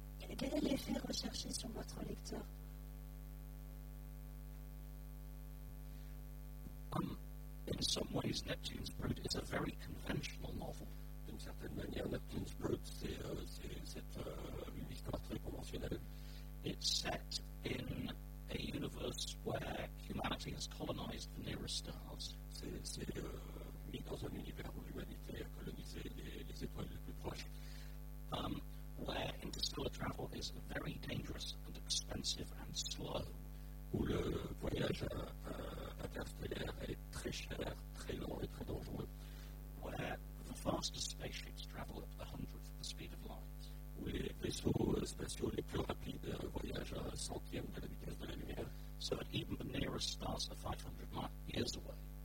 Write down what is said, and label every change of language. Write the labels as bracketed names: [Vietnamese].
[French] Et quel est l'effet recherché sur votre lecteur? [English] In some ways, Neptune's Brood is a very conventional novel. [French] D'une certaine manière, Neptune's Brood, c'est une histoire très conventionnelle. [English] It's set in a universe where humanity has colonized the nearest stars. [French] C'est mis dans un univers où l'humanité a colonisé les étoiles les plus proches. [English] Where interstellar travel is very dangerous and expensive and slow. [French] Où le voyage interstellaire est très cher, très long et très dangereux. [English] Where the fastest spaceships travel at 1/100 the speed of light. [French] Où les vaisseaux spatiaux les plus rapides voyagent à 1/100 de la vitesse de la lumière. [English] So that even the nearest stars are 500 light years away.